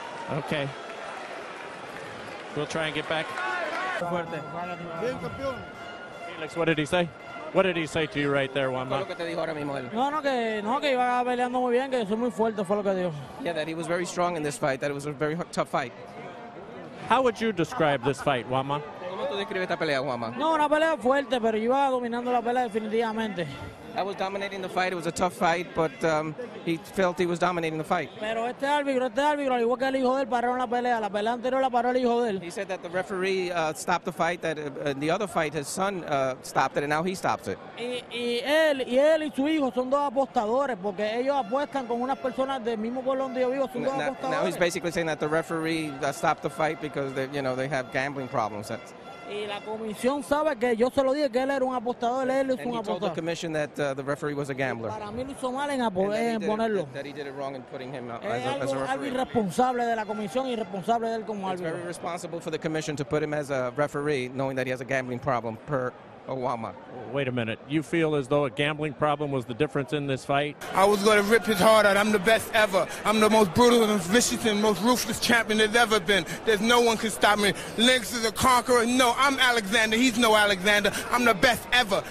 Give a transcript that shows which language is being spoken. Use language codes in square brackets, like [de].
[en] Okay. We'll try and get back. Felix, what did he say? What did he say to you right there, Wamba? Yeah, that he was very strong in this fight, that it was a very tough fight. How would you describe this fight, Wamba? [es] No, una pelea fuerte, pero iba dominando la pelea definitivamente. [en] I was dominating the fight. It was a tough fight, but he felt he was dominating the fight. [es] Pero este árbitro, al igual que el hijo de él, pararon la pelea. La pelea anterior la paró el hijo de él. [en] He said that the referee stopped the fight. That the other fight, his son stopped it, and now he stops it. [es] Y él y su hijo son dos apostadores, porque ellos apuestan con unas personas del mismo pueblo donde yo vivo. Son dos apostadores. [en] Now he's basically saying that the referee stopped the fight because they, you know, they have gambling problems. That's, [es] y la comisión sabe que yo se lo dije que él era un apostador, él es un apostador. [en] And he told the commission that the referee was a gambler. [es] Para mí lo hizo mal en ponerlo. [en] That he did it wrong in putting him as a referee. [es] Es algo irresponsable de la comisión, irresponsable de él como árbitro. [en] It's very responsible for the commission to put him as a referee, knowing that he has a gambling problem, per Obama. Wait a minute. You feel as though a gambling problem was the difference in this fight? I was going to rip his heart out. I'm the best ever. I'm the most brutal and vicious and most ruthless champion there's ever been. There's no one can stop me. Lennox is a conqueror. No, I'm Alexander. He's no Alexander. I'm the best ever.